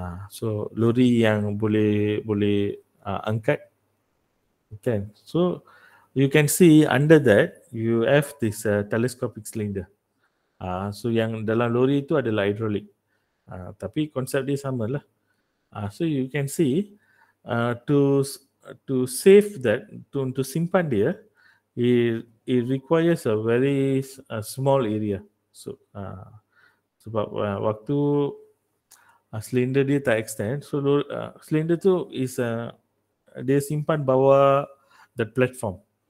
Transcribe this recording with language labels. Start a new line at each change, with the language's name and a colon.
Malay: So lori yang boleh boleh angkat, okay.
English: So you can see under that you have this telescopic cylinder.
Malay: So yang dalam lori itu adalah hydraulic. Tapi konsep dia sama lah.
English: So you can see to save that,
Malay: to simpan dia,
English: it requires a very small area.
Malay: So sebab waktu cylinder dia tak extend, so cylinder tu
English: is
Malay: dia simpan bawah
English: the platform.